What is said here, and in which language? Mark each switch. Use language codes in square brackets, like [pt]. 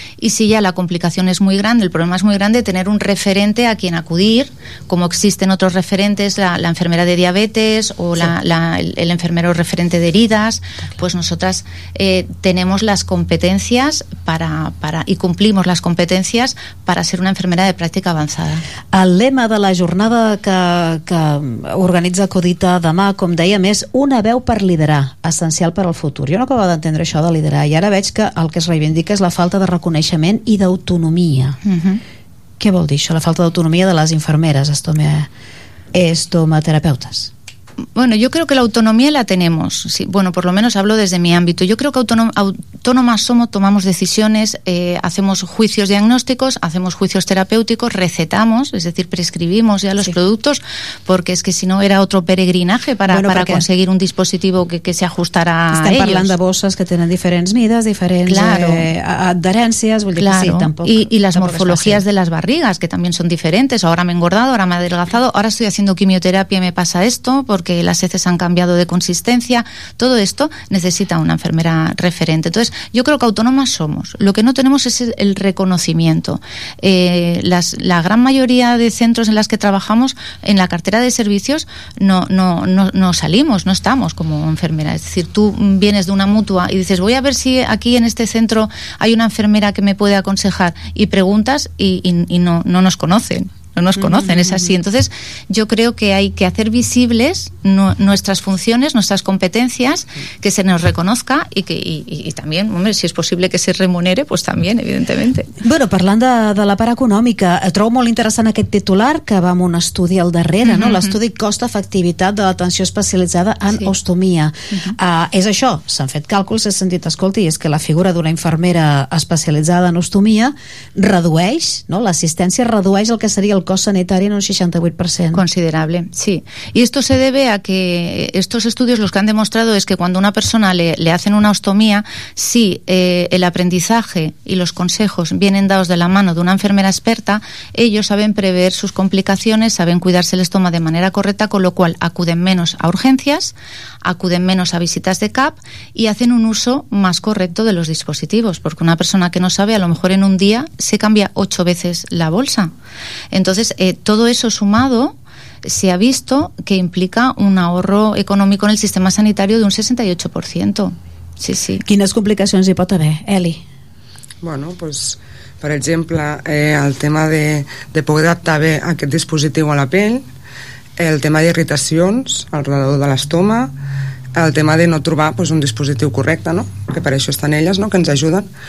[es] Y si ya la complicación es muy grande, el problema es muy grande, tener un referente a quien acudir, como existen otros referentes, la enfermera de diabetes o el enfermero referente de heridas, pues nosotras tenemos las competencias para y cumplimos las competencias para ser una enfermera de práctica avanzada. [ca] El lema de la jornada que organitza Codita demà, com dèiem, és una veu per liderar, essencial per al futur. Jo no acabo d'entendre això de liderar, i ara veig que el que es reivindica és la falta de reconeixement i d'autonomia. Uh-huh. Què vol dir això, la falta d'autonomia de les infermeres estomaterapeutes? [es] Bueno, yo creo que la autonomía la tenemos. Sí, bueno, por lo menos hablo desde mi ámbito. Yo creo que autónomas somos, tomamos decisiones, hacemos juicios diagnósticos, hacemos juicios terapéuticos, recetamos, es decir, prescribimos ya los productos, porque es que si no era otro peregrinaje para conseguir un dispositivo que se ajustara a ellos. [ca] Estem parlant de bosses que tenen diferents mides, diferents adherències, vull dir [es] claro. [ca] Que sí, tampoc. [es] Y las morfologías de las barrigas, que también son diferentes. Ahora me he engordado, ahora me he adelgazado, ahora estoy haciendo quimioterapia y me pasa esto, porque las heces han cambiado de consistencia. Todo esto necesita una enfermera referente. Entonces, yo creo que autónomas somos. Lo que no tenemos es el reconocimiento. La gran mayoría de centros en las que trabajamos, en la cartera de servicios, no salimos, no estamos como enfermera. Es decir, tú vienes de una mutua y dices, voy a ver si aquí en este centro hay una enfermera que me puede aconsejar, y preguntas y no nos conocen. No nos conocen, es así. Entonces, yo creo que hay que hacer visibles nuestras funciones, nuestras competencias, que se nos reconozca y también, hombre, si es posible que se remunere, pues también, evidentemente. [ca] Bueno, parlant de la part econòmica, trobo molt interessant aquest titular que va amb un estudi al darrere, no? L'estudi cost-efectivitat de l'atenció especialitzada en ostomia. És això, s'han fet càlculs, s'ha sentit, escolta, i és que la figura d'una infermera especialitzada en ostomia redueix, no? L'assistència redueix el que seria el cost sanitari en un 68%. Considerable, sí. [es] Y esto se debe a que estos estudios los que han demostrado es que cuando una persona le hacen una ostomía, si el aprendizaje y los consejos vienen dados de la mano de una enfermera experta, ellos saben prever sus complicaciones, saben cuidarse el estómago de manera correcta, con lo cual acuden menos a urgencias, acuden menos a visitas de CAP y hacen un uso más correcto de los dispositivos, porque una persona que no sabe, a lo mejor en un día se cambia 8 veces la bolsa. Entonces, todo eso sumado se ha visto que implica un ahorro económico en el sistema sanitario de un 68%. Sí, sí. [ca] Quines complicacions hi pot haver, Eli? Bueno, pues, per exemple, el tema de poder adaptar bé aquest dispositiu a la pell, el tema d'irritacions al redor de l'estoma, el tema de no trobar pues, un dispositiu correcte, no? Que per això estan elles, no? Que ens ajuden.